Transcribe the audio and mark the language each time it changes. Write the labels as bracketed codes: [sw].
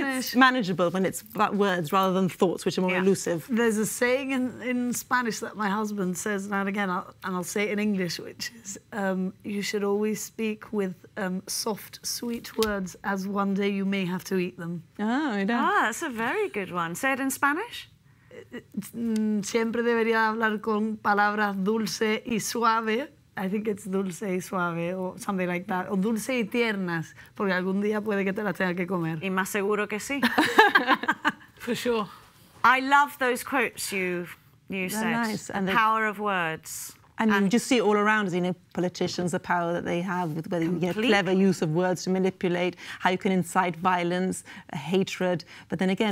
[en] I think it's manageable when it's about words rather than thoughts, which are more elusive. There's a saying in Spanish that my husband says now and again, I'll say it in English, which is you should always speak with soft, sweet words, as one day you may have to eat them. That's a very good one. Say it in Spanish. [es] Siempre debería hablar con palabras dulce y suave. [en] I think it's [es] dulce y suave, [en] or something like that. [es] O dulce y tiernas, porque algún día puede que te las tenga que comer. Y más seguro que sí. [en] For sure. I love those quotes you said. Nice. And the power of words. And you just see it all around, you know, politicians, the power that they have, with clever use of words to manipulate, how you can incite violence, hatred. But then again,